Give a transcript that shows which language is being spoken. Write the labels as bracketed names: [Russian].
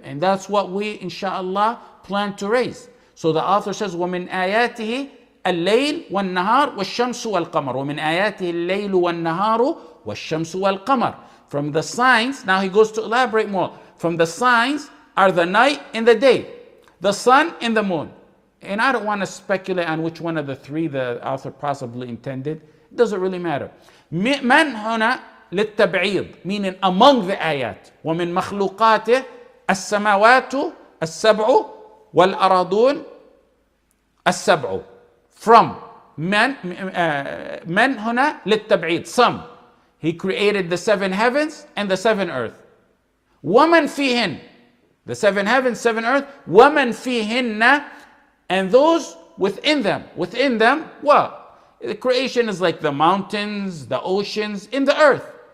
[English] And that's what we, inshallah, plan to raise. So the author says, [Arabic] وَمِنْ آيَاتِهِ اللَّيْلُ وَالنَّهَارُ وَالشَّمْسُ وَالْقَمَرُ وَمِنْ آيَاتِهِ اللَّيْلُ وَالنَّهَارُ وَالشَّمْسُ وَالْقَمَرُ. [English] From the signs, now he goes to elaborate more. From the signs are the night and the day, the sun and the moon. And I don't want to speculate on which one of the three the author possibly intended. It doesn't really matter. [Arabic] من هنا للتبعيد, [English] meaning among the ayat. [Arabic] ومن مخلوقاته السماوات السبع والأراضون السبع. From من هنا للتبعيد. [English] Some. He created the seven heavens and the seven earth. [Arabic] ومن فيهن. [English] The seven heavens, seven earth, [Arabic] وَمَنْ فِيهِنَّ [English] and those within them. Within them, what? The creation is like the mountains, the oceans, in the earth.